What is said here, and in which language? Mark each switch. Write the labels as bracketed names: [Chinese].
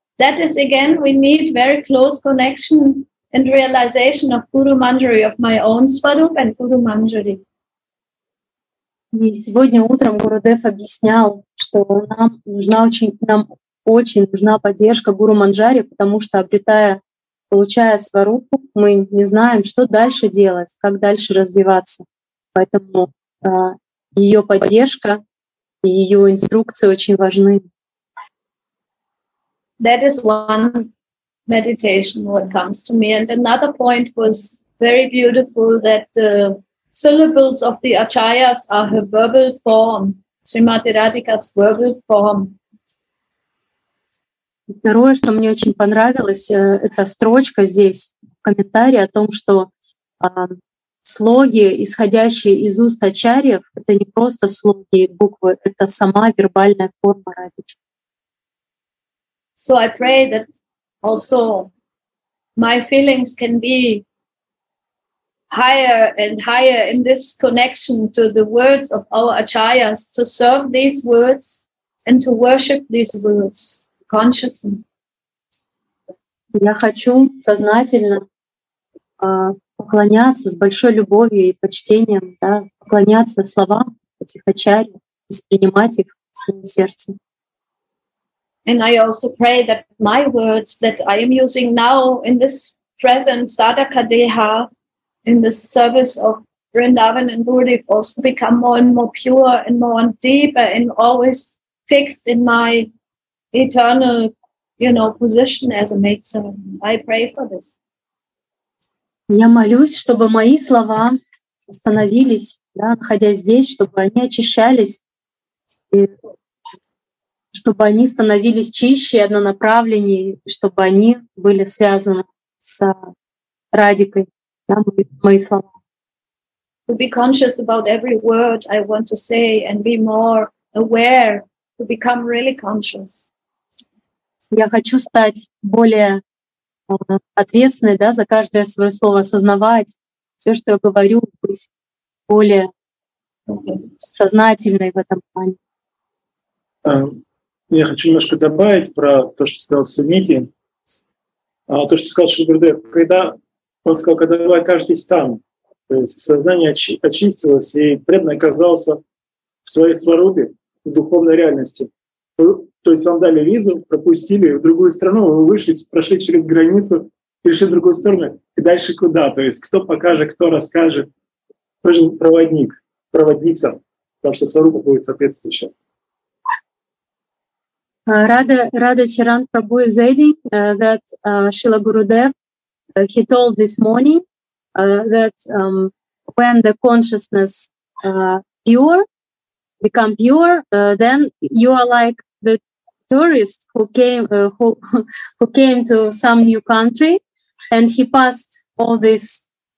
[English] That is, again, we need very close connection and realization of Guru Manjari, of my own svarup and Guru Manjari. [Russian] И сегодня утром Гурудев объяснял, что нам очень нужна поддержка Гуру Манджари, потому что, обретая получая сварупу, мы не знаем, что дальше делать, как дальше развиваться. Поэтому ее поддержка и ее инструкции очень важны. [English] That is one meditation what comes to me. And another point was very beautiful that the syllables of the acharyas are her verbal form, Srimati Radhika's verbal form. [Russian] Второе, что мне очень понравилось, это строчка здесь, комментарий о том, что слоги, исходящие из уст ачарьев, это не просто слоги и буквы, это сама вербальная форма Радики. [English] So I pray that also my feelings can be higher and higher in this connection to the words of our acharyas, to serve these words and to worship these words consciously. [Russian] Я хочу сознательно поклоняться с большой любовью и почтением, да, поклоняться словам этих ачарь, воспринимать их в своем сердце. [English] And I also pray that my words that I am using now in this present sadhaka deha, in the service of Vrindavan and Buddhism, also become more and more pure and more and deeper and always fixed in my eternal, you know, position as a maidservant. I pray for this. [Russian] Я молюсь, чтобы мои слова остановились, да, находясь здесь, чтобы они очищались, и чтобы они становились чище и однонаправленнее, чтобы они были связаны с Радикой, да, мои слова. [English] To be conscious about every word I want to say and be more aware, to become really conscious. [Russian] Я хочу стать более ответственной, да, за каждое свое слово, осознавать все, что я говорю, быть более сознательной в этом плане. Я хочу немножко добавить про то, что сказал Сумити. То, что сказал Шри-Гурудев, когда он сказал, когда давай каждый стан, то есть сознание очистилось, и преданный оказался в своей сварупе, в духовной реальности. То есть вам дали визу, пропустили в другую страну, вы вышли, прошли через границу, перешли в другую сторону, и дальше куда? То есть кто покажет, кто расскажет? Нужен проводник, проводница, потому что сварупа будет соответствующая. [English] Radha Charan Prabhu is adding that Srila Gurudev, he told this morning that when the consciousness become pure, then you are like the tourist who came to some new country, and he passed all these